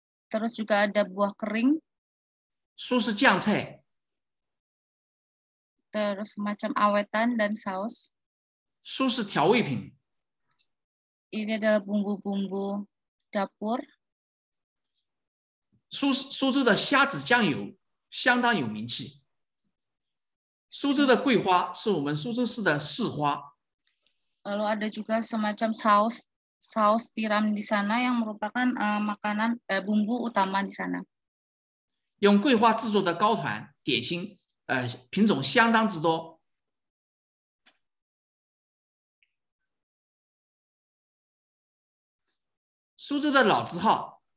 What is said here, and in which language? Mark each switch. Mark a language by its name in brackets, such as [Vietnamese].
[Indonesian] terus juga ada buah kering， [Chinese] 苏式酱菜， [Indonesian] terus macam awetan dan saus， [Chinese] 苏式调味品， [Indonesian] ini adalah bumbu-bumbu dapur， [Chinese] 苏州的虾子酱油相当有名气， 苏州的桂花是我们苏州市的市花， [Indonesian] lalu ada juga semacam saus。 Saus tiram di sana yang merupakan makanan bumbu utama di sana. [Chinese] 用桂花制作的糕团点心，品种相当之多。苏州的老字号。